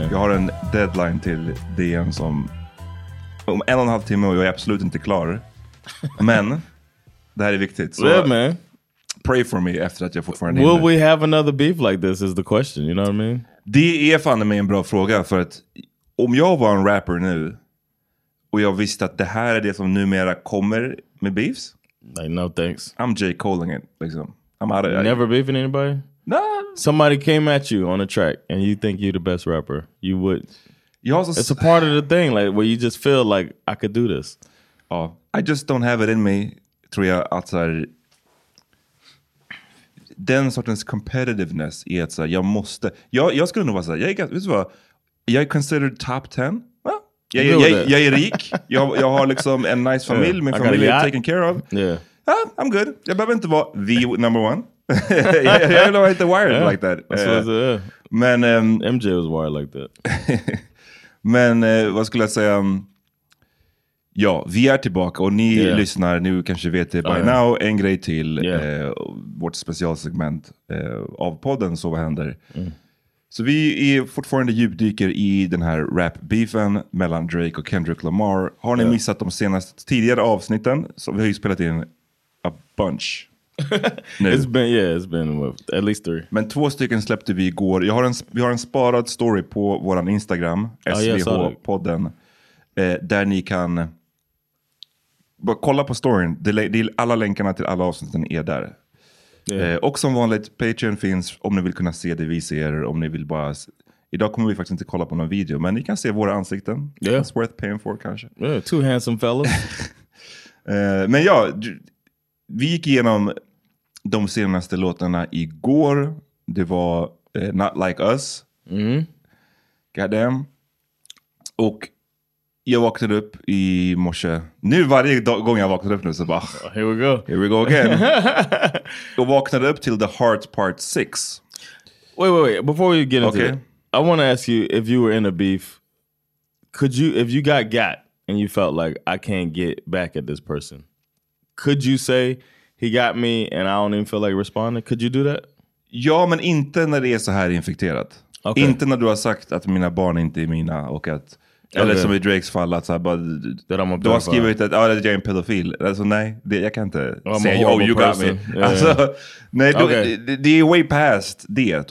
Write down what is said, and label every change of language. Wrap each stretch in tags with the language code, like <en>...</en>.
<sv>Jag har en deadline till DN som om 1.5 timme och jag är absolut inte klar. Men det här är viktigt.</sv> <en>Så yeah, man. Pray for me</en> <sv>efter att jag fortfarande</sv> <en>Will we have another beef like this is the question, you know what I mean? Det är fan med en bra fråga för att om jag var en rapper nu och jag visste att det här är det som numera kommer med beefs. Like, no thanks. I'm J. Cole-ing it, liksom. I'm out of it. Never beefing anybody? Nah. Somebody came at you on a track, and you think you're the best rapper. You would. You also it's a part of the thing, like, where you just feel like, I could do this. Oh, I just don't have it in me,</en> <sv>tror jag, att såhär, den sortens competitiveness i att såhär, jag måste, jag skulle nog vara såhär, jag vet vad, jag är</sv> <en>considered top 10.</en> <sv>Jag är rik. Jag har liksom en nice familj. Min familj är</sv> <en>taken care of. Yeah. Ah, I'm good.</en> <sv>Jag behöver inte vara</sv> <en>the number one.</en> <sv>Jag vill inte</sv> <en>wired like that.</en> <sv>Men</sv> <en>MJ was wired like that.</en> <sv>Men vad skulle jag säga? Ja, vi är tillbaka och ni lyssnar, ni kanske vet det</sv> <en>by now,</en> <sv>en grej till vårt specialsegment av podden, så vad händer? Så vi är fortfarande djupdyker i den här rap-beefen mellan Drake och Kendrick Lamar. Har ni missat de senaste tidigare avsnitten? Så vi har ju spelat in</sv> <en>a bunch. It's been, yeah, it's been at least three.</en> <sv>Men två stycken släppte vi igår. Jag har en, vi har en sparad story på våran Instagram, SVH-podden, där ni kan bara kolla på storyn. Alla länkarna till alla avsnitten är där. Och som vanligt, Patreon finns om ni vill kunna se det vi ser, om ni vill bara... Idag kommer vi faktiskt inte kolla på någon video, men ni kan se våra ansikten.</sv> <en>Yeah. It's worth paying for, kanske. Yeah, two handsome fellas.</en> <sv>Men ja, vi gick igenom de senaste låtarna igår. Det var Not Like Us. Mm.</sv> <en>Goddamn.</en> <sv>Och jag vaknade upp i morse. Nu varje gång jag vaknade upp nu så bara...</sv> <en>Oh, here we go. Here we go again.</en> <sv>Jag vaknade upp till The Heart Part 6.</sv> <en>Wait, wait, wait. Before we get into it, I want to ask you, if you were in a beef, could you, if you got and you felt like, I can't get back at this person, could you say, he got me and I don't even feel like responding? Could you do that?</en> <sv>Ja, men inte när det är så här infekterat.</sv> <en>Okay.</en> <sv>Inte när du har sagt att mina barn inte är mina och att... Eller som i Drakes fall, att såhär, du har skrivit att jag är en pedofil. Alltså nej, det, jag kan inte säga,</sv> <en>oh, you got me. Yeah,</en> <sv>alltså,</sv> <en>yeah.</en> <sv>Nej, du, okay. Det är</sv> <en>way past</en> <sv>det.</sv>